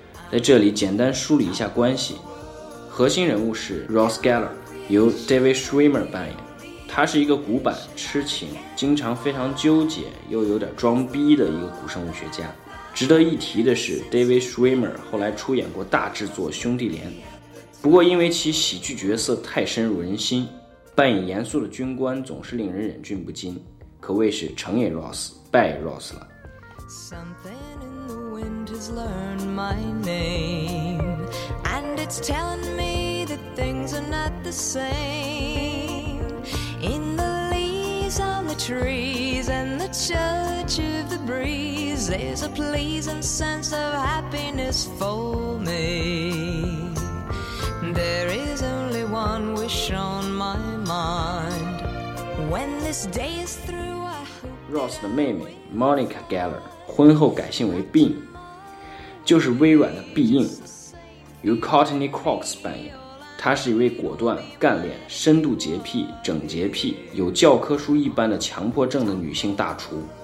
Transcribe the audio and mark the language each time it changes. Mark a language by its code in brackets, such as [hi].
[zh] 在这里简单梳理一下关系，核心人物是 Ross Geller， 由 David Schwimmer 扮演，他是一个古板痴情，经常非常纠结又有点装逼的一个古生物学家。值得一提的是， David Schwimmer 后来出演过大制作《兄弟连》，不过因为其喜剧角色太深入人心，扮演严肃的军官总是令人忍俊不禁，可谓是成也 Ross， 败也 Ross 了。 [en] Something in the wind has learned my name, and it's telling me that things are not the same. In the leaves on the trees and the touch of the breeze, there's a pleasing sense of happiness for me. There is only one wish on my mind. When this day is through. [zh] Ross 的妹妹 Monica Geller 婚后改姓为 Bean， 就是微软的必应，由 Courtney Cox 扮演。她是一位果断、干练、深度洁癖、整洁癖、有教科书一般的强迫症的女性大厨。